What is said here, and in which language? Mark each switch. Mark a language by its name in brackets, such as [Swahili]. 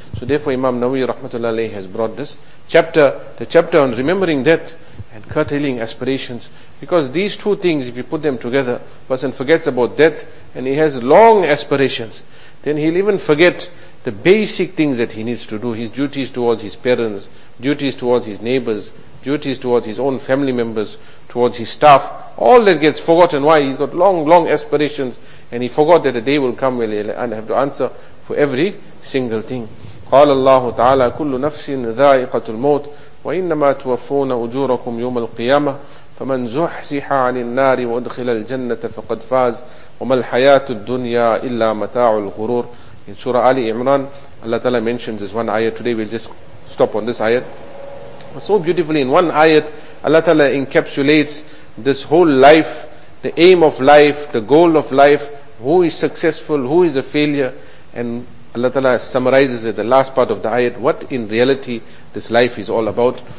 [English] So therefore Imam Nawawi rahmatullah alayhi has brought this chapter, the chapter on remembering death and curtailing aspirations, because these two things, if you put them together, person forgets about death and he has long aspirations, then he'll even forget the basic things that he needs to do, his duties towards his parents, duties towards his neighbors, duties towards his own family members, towards his staff. All that gets forgotten. Why? He's got long aspirations and he forgot that a day will come where he'll have to answer for every single thing. [Arabic] قال الله تعالى كل نفس ذائقة الموت وإنما توفون أجوركم يوم القيامة فمن زحزح عن النار وادخل الجنة فقد فاز وما الحياة الدنيا إلا متاع الغرور. [English] In Surah Ali Imran, Allah Ta'ala mentions this one ayat. Today we'll just stop on this ayat. So beautifully in one ayat, Allah Ta'ala encapsulates this whole life, the aim of life, the goal of life, who is successful, who is a failure, and Allah Ta'ala summarizes it, the last part of the ayat, what in reality this life is all about.